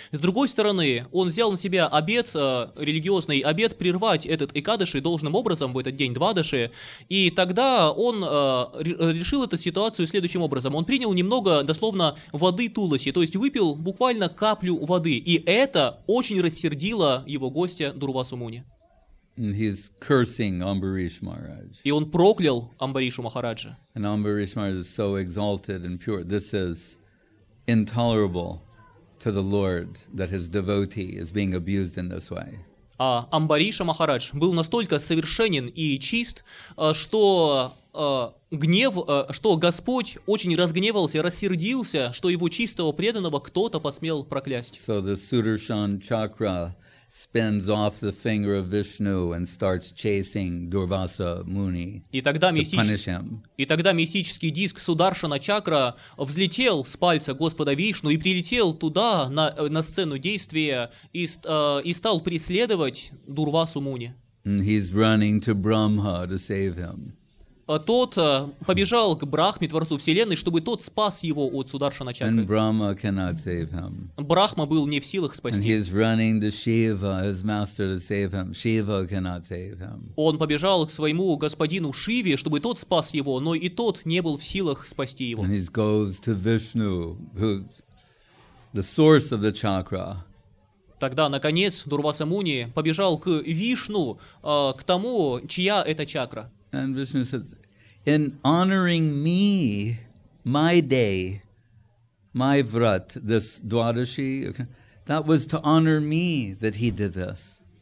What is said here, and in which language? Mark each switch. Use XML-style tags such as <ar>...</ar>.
<ru>С другой стороны, он взял на себя обет, религиозный обет, прервать этот Экадаши должным образом в этот день Двадаши, и тогда он решил эту ситуацию следующим образом. Он принял немного, дословно, воды Туласи, то есть выпил буквально каплю воды, и это очень рассердило его гостя Дурвасу Муни.</ru> <en>He's cursing Ambarish Maharaj.</en> <ru>И он проклял Амбаришу Махараджа.</ru> <en>And Ambarish Maharaj is so exalted and pure. This is intolerable to the Lord that his devotee is being abused in this way.</en> <ru>А Амбариша Махарадж был настолько совершенен и чист, что гнев, что Господь очень разгневался, рассердился, что его чистого преданного кто-то посмел проклясть.</ru> <en>So the Sudarshan chakra spins off the finger of Vishnu and starts chasing Durvasa Muni to punish him.</en> <ru>И тогда мистический диск Сударшана чакра взлетел с пальца Господа Вишну и прилетел туда на сцену действия и стал преследовать Дурвасу Муни.</ru> <en>He's running to Brahma to save him.</en> <ru>Тот побежал к Брахме, Творцу Вселенной, чтобы тот спас его от Сударшана чакры.</ru> <en>And Brahma cannot save him.</en> <ru>Брахма был не в силах спасти.</ru> <en>And he is running to Shiva, his master, to save him. Shiva cannot save him.</en> <ru>Он побежал к своему господину Шиве, чтобы тот спас его, но и тот не был в силах спасти его.</ru> <en>And he goes to Vishnu, who's the source of the chakra.</en> <ru>Тогда, наконец, Дурваса Муни побежал к Вишну, к тому, чья это чакра.</ru> <en>And Vishnu says, in honoring me, my day, my vrat, this Dwadashi, okay, that was to honor me that he did this.</en>